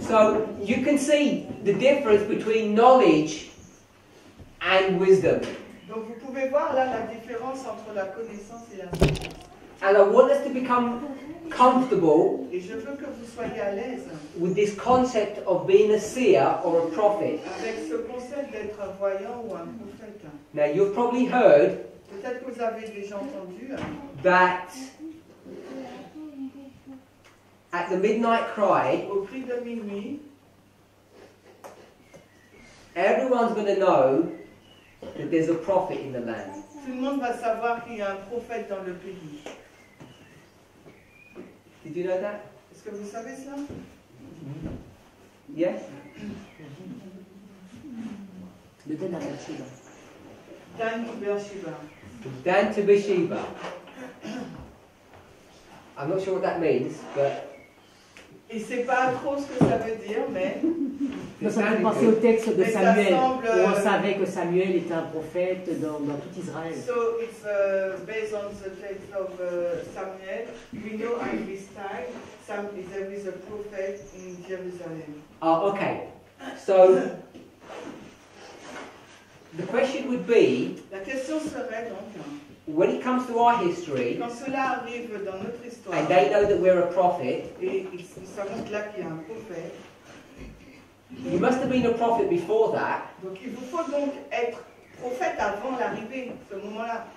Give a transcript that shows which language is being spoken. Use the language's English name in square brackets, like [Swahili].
[English] So, you can see the difference between knowledge and wisdom. [French] Donc, vous pouvez voir là la différence entre la connaissance et la sagesse. [English] And I want us to become comfortable with this concept of being a seer or a prophet. [French] Avec ce concept d'être un voyant ou un prophète. [English] Now you've probably heard [French] Peut-être que vous avez déjà entendu. [English] That at the midnight cry, [French] au cri de minuit, [English] everyone's going to know that there's a prophet in the land. [French] Tout le monde va savoir qu'il y a un prophète dans le pays. [English] Did you know that? [French] Est-ce que vous savez ça? [English] Yes. Le Dan Tabashiba. Dan Tabashiba. Dan Tabashiba. I'm not sure what that means, but. [French] Il ne sait pas trop ce que ça veut dire, mais. Ça fait penser au texte de Samuel, où on savait que Samuel était un prophète dans tout Israël. [English] So it's based on the text of Samuel. We know at this time there is a prophet in Jerusalem. Oh, okay. So the question would be. [French] La question serait donc. [English] When it comes to our history, [French] quand cela arrive dans notre histoire, [English] and they know that we're a prophet, [French] ils savent là qu'il y a un prophète. [English] You must have been a prophet before that. [French] Donc il vous faut donc être prophète avant l'arrivée, ce moment-là.